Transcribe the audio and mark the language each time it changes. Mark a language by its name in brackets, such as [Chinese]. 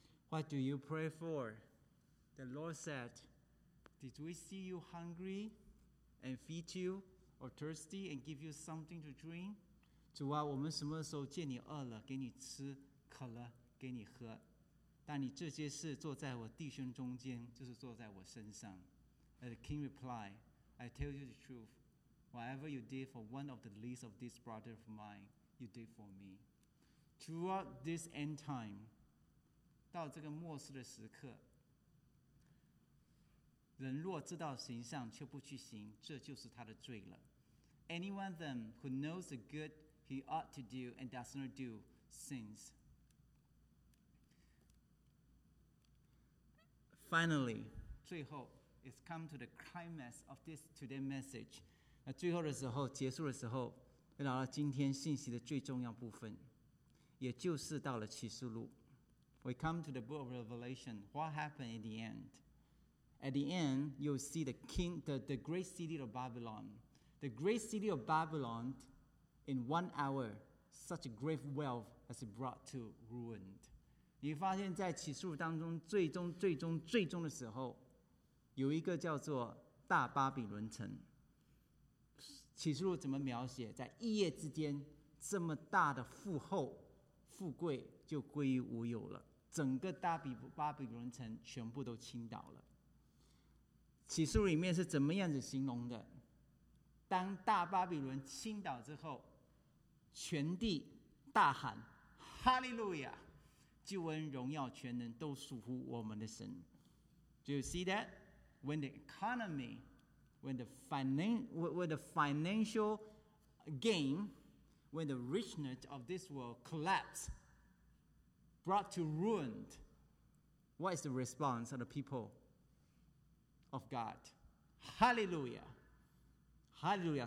[English] What do you pray for? The Lord said, "Did we see you hungry and feed you, or thirsty and give you something to drink?" [Chinese] 主啊，我们什么时候见你饿了，给你吃，渴了，给你喝？但你这些事做在我弟兄中间，就是做在我身上。 [English] And the king replied, "I tell you the truth. Whatever you did for one of the least of these brothers of mine, you did for me." Throughout this end time, [Chinese] 到这个末世的时刻，人若知道行善却不去行，这就是他的罪了。 [English] Anyone then who knows the good he ought to do and does not do sins. Finally, [Chinese] 最后 [English] it's come to the climax of this today message. [Chinese] 那最后的时候，结束的时候，来到了今天信息的最重要部分，也就是到了启示录。 [English] We come to the book of Revelation. What happened in the end? At the end, you'll see the king, the great city of Babylon. The great city of Babylon, in 1 hour, such great wealth has it brought to ruin. [Chinese] 你发现在启示录当中最终最终最终的时候，有一个叫做大巴比伦城。启示录怎么描写？在一夜之间，这么大的富厚、富贵就归于无有了。整个大巴比伦城全部都倾倒了。启示录里面是怎么样子形容的？当大巴比伦倾倒之后，全地大喊哈利路亚，救恩荣耀全能都属乎我们的神。 [English] Do you see that? When the economy, when the financial gain, when the richness of this world collapsed, brought to ruin, what is the response of the peopleOf God. Hallelujah. Hallelujah.